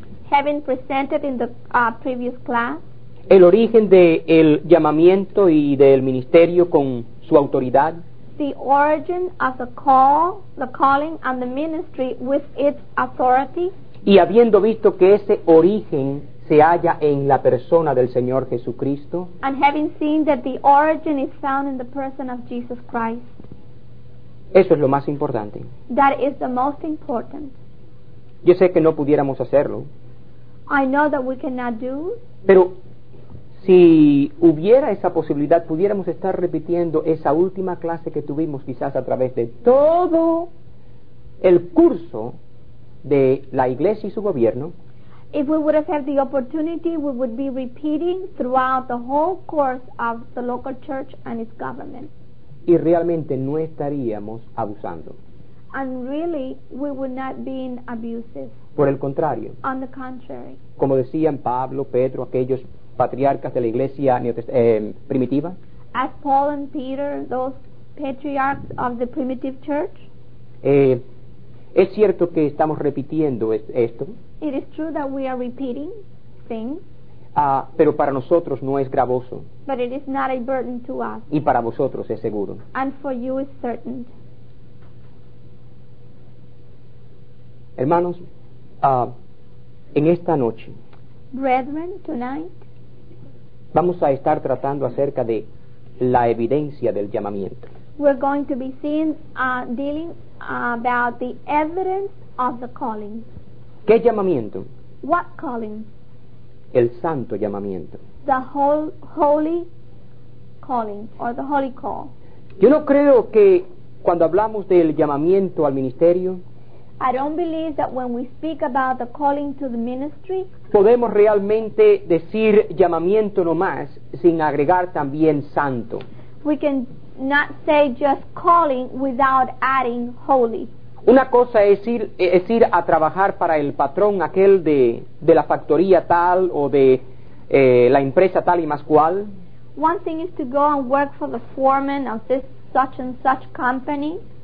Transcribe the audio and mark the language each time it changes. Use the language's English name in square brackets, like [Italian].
[English] having presented in the previous class, [Spanish] el origen del llamamiento y del ministerio con su autoridad, [English] the origin of the call, the calling and the ministry with its authority, [Spanish] y habiendo visto que ese origen se halla en la persona del Señor Jesucristo, [English] and having seen that the origin is found in the person of Jesus Christ, [Spanish] eso es lo más importante. [English] That is the most important. [Spanish] Yo sé que no pudiéramos hacerlo. [English] I know that we cannot do. [Spanish] Pero si hubiera esa posibilidad, pudiéramos estar repitiendo esa última clase que tuvimos quizás a través de todo el curso de la iglesia y su gobierno. [English] If we would have had the opportunity, we would be repeating throughout the whole course of the local church and its government. [Spanish] Y realmente no estaríamos abusando. [English] And really, we would not be abusive. [Spanish] Por el contrario. [English] On the contrary. [Spanish] Como decían Pablo, Pedro, aquellos patriarcas de la iglesia primitiva. [English] As Paul and Peter, those patriarchs of the primitive church. [Spanish] Es cierto que estamos repitiendo esto. [English] It is true that we are repeating things. [Spanish] Pero para nosotros no es gravoso. [English] But it is not a burden to us. [Spanish] Y para vosotros es seguro. [English] And for you is certain. [Spanish] Hermanos, en esta noche, [English] brethren, tonight, [Spanish] vamos a estar tratando acerca de la evidencia del llamamiento. [English] We're going to be seeing, dealing about the evidence of the calling. [Spanish] ¿Qué llamamiento? [English] What calling? [Spanish] El santo llamamiento. [English] The whole holy calling or the holy call. [Spanish] Yo no creo que cuando hablamos del llamamiento al ministerio, [English] I don't believe that when we speak about the calling to the ministry, [Spanish] podemos realmente decir llamamiento nomás sin agregar también santo. [English] We can not say just calling without adding holy. [Spanish] Una cosa es ir a trabajar para el patrón aquel de la factoría tal o de la empresa tal y más cual. [English] One thing is to go and work for the foreman of this such and such company.